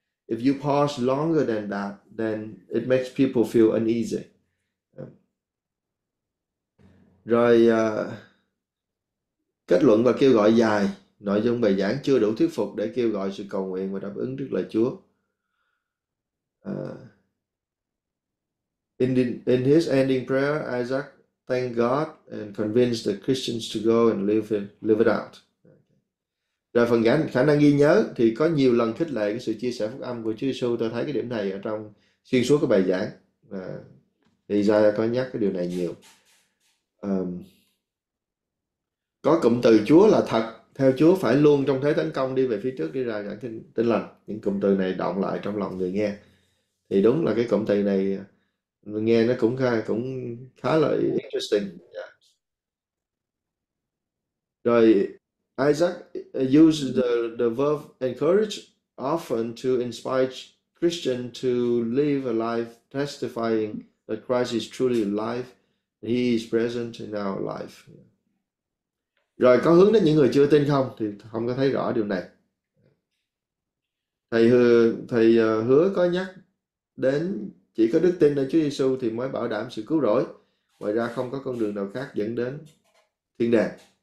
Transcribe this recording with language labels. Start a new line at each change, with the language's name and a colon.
English: If you pause longer than that, then it makes people feel uneasy.
Vietnamese: Rồi kết luận và kêu gọi dài, nội dung bài giảng chưa đủ thuyết phục để kêu gọi sự cầu nguyện và đáp ứng trước lời Chúa.
English: In his ending prayer, Isaac thanked God and convinced the Christians to go and live it out.
Vietnamese: Rồi phần khả năng ghi nhớ thì có nhiều lần khích lệ cái sự chia sẻ phúc âm của Chúa Giêsu. Tôi thấy cái điểm này ở trong xuyên suốt cái bài giảng. Và thì Isaiah có nhắc cái điều này nhiều. Có cụm từ Chúa là thật, theo Chúa phải luôn trong thế tấn công, đi về phía trước, đi ra giảng tin lành. Những cụm từ này đọng lại trong lòng người nghe. Thì đúng là cái cụm từ này người nghe nó cũng khá là interesting.
English: Rồi Isaac uses the verb encourage often to inspire Christian to live a life testifying that Christ is truly alive, and he is present in our life.
Vietnamese: Rồi có hướng đến những người chưa tin không? Thì không có thấy rõ điều này. Thầy hứa có nhắc đến chỉ có đức tin ở Chúa Giêsu thì mới bảo đảm sự cứu rỗi. Ngoài ra không có con đường nào khác dẫn đến thiên đàng.